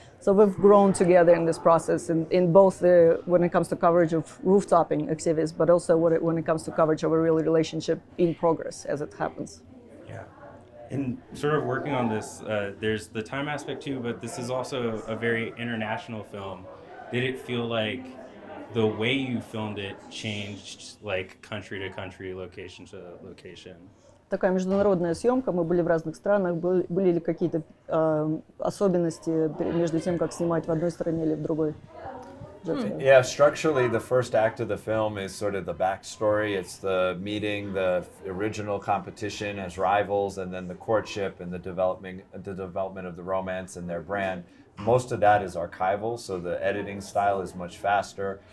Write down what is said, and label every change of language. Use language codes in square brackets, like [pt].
[en] So we've grown together in this process, in both the, when it comes to coverage of rooftoping activities, but also when it comes to coverage of a real relationship in progress as it happens. Yeah, and sort of working on this, there's the time aspect too, but this is also a very international film. Did it feel like the way you filmed it changed like country to country, location to location? [ru] Такая международная съемка, мы были в разных странах, были ли какие-то особенности между тем, как снимать в одной стране или в другой? [en] Yeah, structurally, the first act of the film is sort of the backstory. It's the meeting, the original competition as rivals, and then the courtship and the development of the romance and their brand. Most of that is archival, so the editing style is much faster.